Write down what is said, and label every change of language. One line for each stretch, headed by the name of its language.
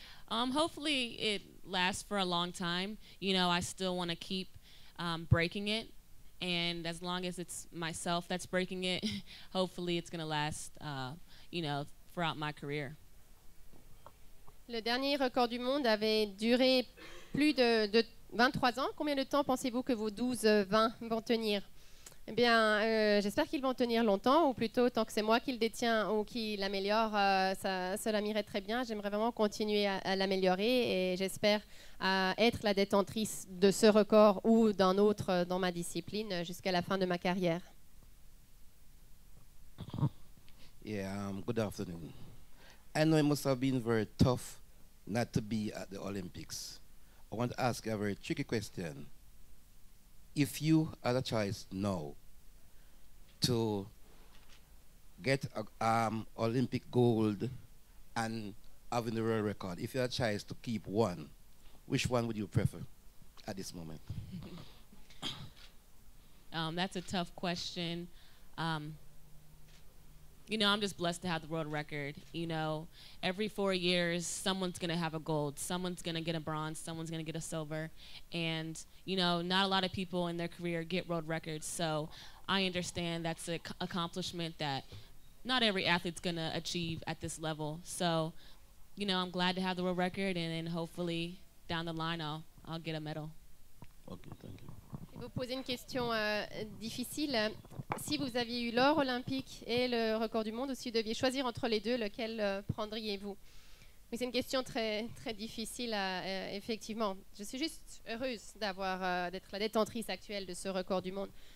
English: hopefully it lasts for a long time. You know, I still want to keep breaking it. And as long as it's myself that's breaking it, hopefully it's going to last, you know, throughout my career.
French: Le dernier record du monde avait duré plus de 23 ans. Combien de temps pensez-vous que vos 12-20 vont tenir? Eh bien, j'espère qu'ils vont tenir longtemps, ou plutôt tant que c'est moi qui le détient ou qui l'améliore, cela m'irait très bien. J'aimerais vraiment continuer à l'améliorer et j'espère être la détentrice de ce record ou d'un autre dans ma discipline jusqu'à la fin de ma carrière.
English: Good afternoon. I know it must have been very tough not to be at the Olympics. I want to ask a very tricky question. If you had a choice now to get a Olympic gold and having the world record, if you had a choice to keep one, which one would you prefer at this moment? That's a tough question. You know, I'm just blessed to have the world record. You know, every 4 years, someone's going to have a gold. Someone's going to get a bronze. Someone's going to get a silver. And, you know, not a lot of people in their career get world records. So I understand that's an accomplishment that not every athlete's going to achieve at this level. So, you know, I'm glad to have the world record. And then hopefully down the line, I'll get a medal. Okay, thank you.
French: Vous posez une question difficile. Si vous aviez eu l'or olympique et le record du monde, ou si vous deviez choisir entre les deux, lequel prendriez-vous? Mais c'est une question très, très difficile, effectivement. Je suis juste heureuse d'être la détentrice actuelle de ce record du monde.